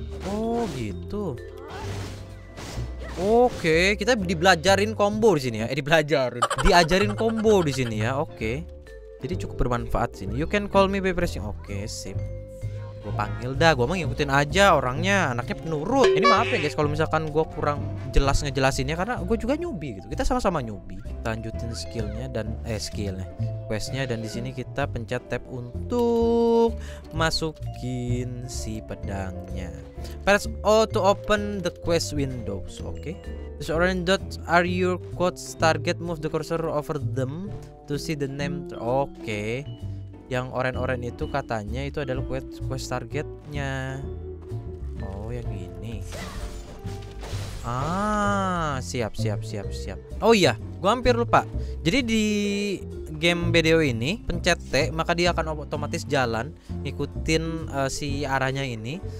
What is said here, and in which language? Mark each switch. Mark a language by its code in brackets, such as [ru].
[id] Oh gitu. Oke, kita dibelajarin combo di sini ya. Diajarin combo di sini ya. Oke. Jadi cukup bermanfaat sini. [en] You can call me by pressing. [id] Oke, sip. Gue panggil dah, gue mah ngikutin aja orangnya, anaknya penurut. Ini maaf ya guys kalau misalkan gue kurang jelas ngejelasinnya, karena gue juga newbie gitu. Kita sama-sama newbie. Lanjutin skillnya dan questnya, dan di sini kita pencet tab untuk masukin si pedangnya. [en] Press O to open the quest windows. Oke. Okay. These orange dots are your quotes target. Move the cursor over them to see the name. Oke. Okay. [id] Yang oranye-oranye itu katanya itu adalah quest targetnya. Oh, yang ini. Ah, siap. Oh iya, gua hampir lupa. Jadi di game BDO ini, pencet T maka dia akan otomatis jalan ngikutin si arahnya ini.